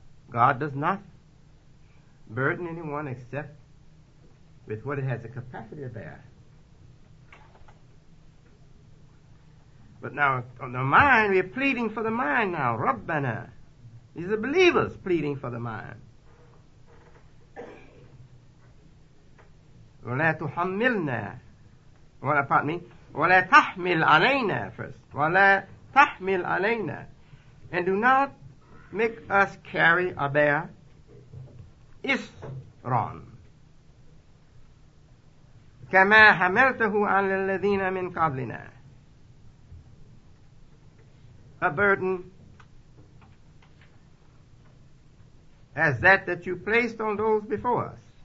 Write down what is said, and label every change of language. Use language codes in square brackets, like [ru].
[en] God does not burden anyone except with what it has the capacity to bear. But now on the mind, we are pleading for the mind now. Rabbana. These are believers pleading for the mind. [ar] وَلَا تُحَمِّلْنَا وَلَا, [en] pardon me, [ar] وَلَا تَحْمِلْ عَلَيْنَا [en] first. [ar] وَلَا تَحْمِلْ عَلَيْنَا [en] And do not make us carry a bear [ar] إِسْرًا كَمَا حَمَلْتَهُ عَلَى الَّذِينَ مِنْ قَبْلِنَا [en] A burden as that that you placed on those before us.